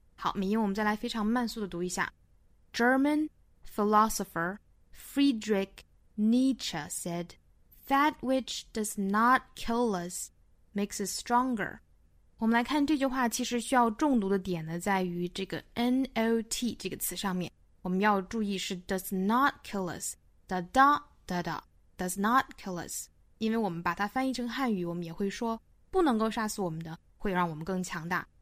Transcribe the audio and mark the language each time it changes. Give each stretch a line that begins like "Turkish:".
Chinese: 好，美音我们再来非常慢速的读一下。
English: German philosopher Friedrich Nietzsche said that which does not kill us makes us stronger。
Chinese: 我们来看这句话，其实需要重读的点呢，在于这个 not 这个词上面。我们要注意是
English: does not kill us， da da da da， does not kill us。
Chinese: 因为我们把它翻译成汉语，我们也会说不能够杀死我们的，会让我们更强大。